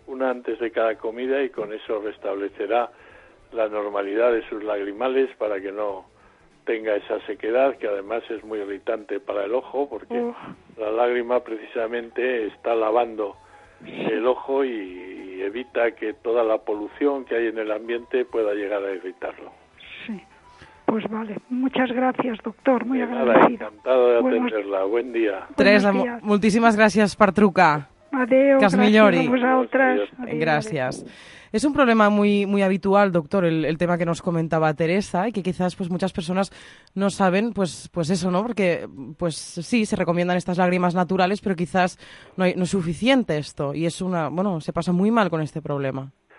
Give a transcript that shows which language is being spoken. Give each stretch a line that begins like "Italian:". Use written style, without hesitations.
Spanish: Una antes de cada comida, y con eso restablecerá la normalidad de sus lagrimales para que no tenga esa sequedad, que además es muy irritante para el ojo, porque la lágrima precisamente está lavando el ojo y evita que toda la polución que hay en el ambiente pueda llegar a irritarlo. Pues vale, muchas gracias, doctor, muy agradecido. Encantado de atenderla, buen día.
Catalan: Teresa, moltíssimes gràcies per trucar. Adéu, que es millori. A vosaltres. Adéu, gràcies. Adéu.
Spanish: És un problema muy, muy habitual, doctor, el tema que nos comentaba Teresa, y que quizás pues muchas personas no saben pues eso, ¿no? Porque pues sí, se recomiendan estas lágrimas naturales, pero quizás no es suficiente esto, y es una, bueno, se pasa muy mal con este problema.